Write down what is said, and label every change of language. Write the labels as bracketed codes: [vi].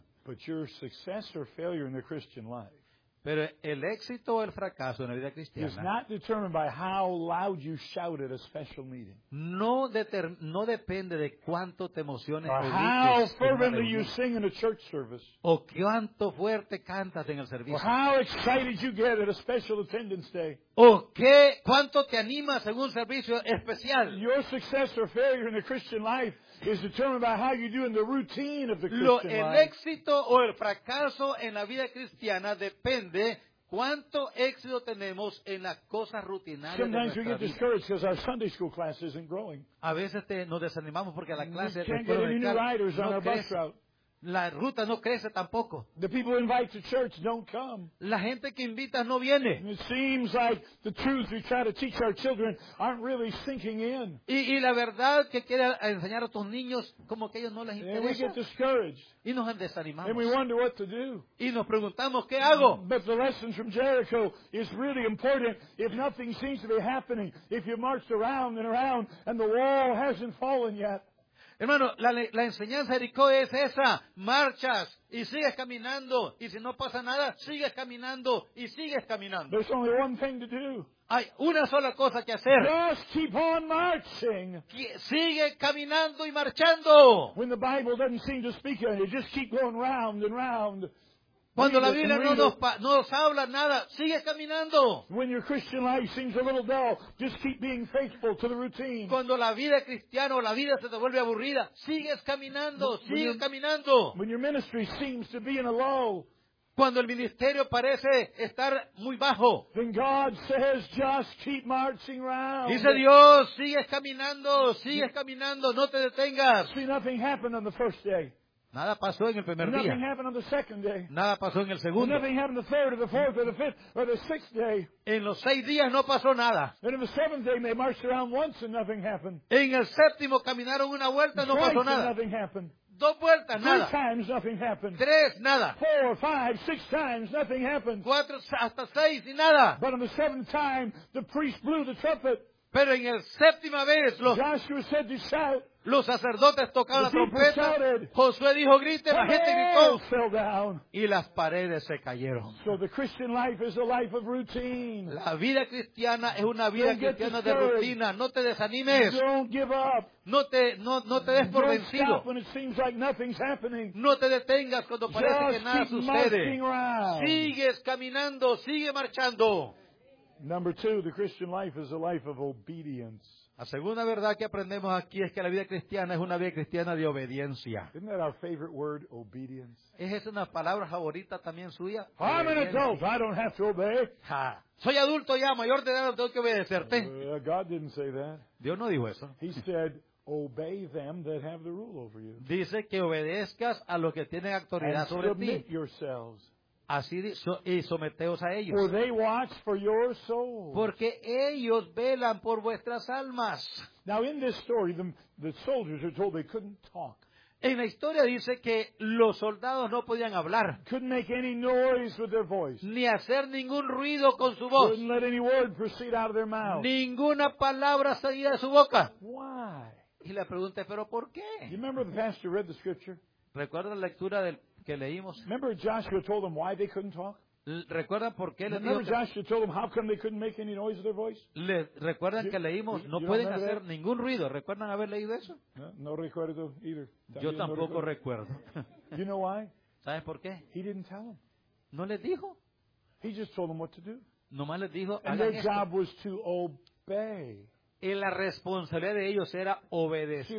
[en] But your success or failure in the Christian life. [es] Pero el éxito o el fracaso en la vida cristiana. [en] Is not determined by how loud you shout at a special meeting. [es] No depende de cuánto te emociones. [en] Or how fervently you sing in a church service. [es] O cuánto fuerte cantas en el servicio. [en] Or how excited you get at a special attendance day. [es] O qué cuánto te animas en un servicio especial. [en] Your success or failure in the Christian life is determined by how you do in the routine of the Christian life. [es] El éxito o el fracaso en la vida cristiana depende cuánto éxito tenemos en las cosas rutinarias. [en] Sometimes [es] de [en] we get discouraged because our Sunday school class isn't growing. [es] A veces nos desanimamos porque la clase de la ruta no crece tampoco. [en] The people invite to church don't come. [es] La gente que invita no viene. [en] It seems like the truths we try to teach our children aren't really sinking in. [es] Y la verdad que quiere enseñar a tus niños como que ellos no les interesa. [en] And we get discouraged. [es] Y nos desanimamos. [en] And we wonder what to do. [es] Y nos preguntamos qué hago. [en] But the lessons from Jericho is really important. If nothing seems to be happening, if you march around and around and the wall hasn't fallen yet. [es] Hermano, la enseñanza de Jericó es esa. Marchas y sigues caminando. Y si no pasa nada, sigues caminando y sigues caminando. [en] There's only one thing to do. [es] Hay una sola cosa que hacer. [en] Just keep on marching. [es] Sigue caminando y marchando. [en] When the Bible doesn't seem to speak to you, just keep going round and round. [es] Cuando la Biblia no nos habla nada, sigue caminando. [en] When your Christian life seems a little dull, just keep being faithful to the routine. [es] Cuando la vida cristiana o la vida se te vuelve aburrida, sigues caminando, sigue caminando. [en] When your ministry seems to be in a lull, [es] cuando el ministerio parece estar muy bajo, [en] then God says, just keep marching round. [es] Dice Dios, sigues caminando, no te detengas. [en] See, nothing happened on the first day. [es] Nada pasó en el primer día. [en] Nothing happened on the second day. [es] Nada pasó en el segundo. [en] Nothing happened the third or the fourth or the fifth or the sixth day. [es] En los seis días no pasó nada. [en] And in the seventh day they marched around once and nothing happened. [es] En el séptimo caminaron una vuelta, no pasó nada. [en] Nothing happened. [es] Dos vueltas, nada. [en] Three times nothing happened. [es] Tres, nada. [en] Four, five, six times nothing happened. [es] Cuatro hasta seis y nada. [en] But on the seventh time the priest blew the trumpet. [es] Pero en el séptima vez [en] Joshua said to shout. [es] Los sacerdotes tocaron la trompeta. [en] Shouted, [es] Josué dijo, grite, la gente gritó. Y las paredes se cayeron. [en] So the Christian life is a life of routine. [es] La vida cristiana es una vida cristiana de rutina. No te desanimes. [en] Don't give up. [es] No te des por vencido. [en] Stop when it seems like nothing's happening. [es] No te detengas cuando parece [en] just [es] que nada sucede. Sigues caminando, sigue marchando. [en] Number two, the Christian life is a life of obedience. [es] La segunda verdad que aprendemos aquí es que la vida cristiana es una vida cristiana de obediencia. [en] Isn't that our favorite word, obedience? [es] ¿Es esa una palabra favorita también suya? [en] I'm an adult, I don't have to obey. Ha. [es] Soy adulto ya, mayor de edad, no tengo que obedecerte. [en] God didn't say that. [es] Dios no dijo eso. [en] He said, obey them that have the rule over you. [es] Dice que obedezcas a los que tienen autoridad sobre ti. [en] And submit yourselves. [es] Así y someteos a ellos. [en] For they watch for your souls. [es] Porque ellos velan por vuestras almas. [en] Now in this story, the soldiers are told they couldn't talk. [es] En la historia dice que los soldados no podían hablar. [en] Couldn't make any noise with their voice. [es] Ni hacer ningún ruido con su voz. [en] Couldn't let any word proceed out of their mouth. [es] Ninguna palabra salía de su boca. [en] Why? [es] Y la pregunta es, ¿pero por qué? [en] You remember the pastor read the scripture? [es] ¿Recuerda la lectura del que leímos? [en] Remember Joshua told them why they couldn't talk? [es] ¿Recuerda por qué les dijo? [en] Joshua told them, how come they couldn't make any noise of their voice? [es] ¿Le recuerdan que leímos, no pueden hacer ningún ruido? ¿Recuerdan haber leído eso? No recuerdo [en] either. [es] Yo tampoco recuerdo. [en] You know why? [es] ¿Sabes por qué? [en] He didn't tell them. [es] No les dijo. [en] He just told them what to do. [es] Nomás les dijo, [en] and their job was to obey. [es] Y la responsabilidad de ellos era obedecer.